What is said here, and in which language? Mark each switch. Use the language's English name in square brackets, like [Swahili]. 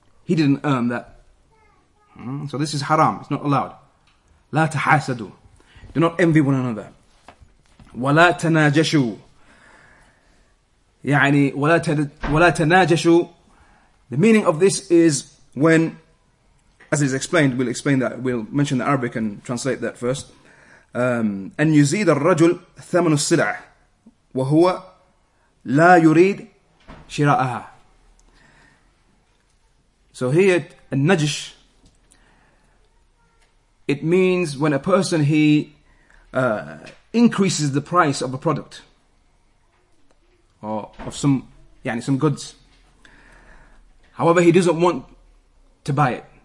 [English] He didn't earn that. So this is haram. It's not allowed. [Arabic] لا تحاسدوا. [English] Do not envy one another. [Arabic] ولا تناجشوا. يعني ولا تناجشوا. [English] The meaning of this is when, as is explained, we'll explain that, we'll mention the Arabic and translate that first. [Arabic] أن يزيد الرجل ثمن السلع وهو لا يريد شراءها. [English] So here, النجش, it means when a person, he increases the price of a product. or of some, yani some goods. However, he doesn't want to buy it.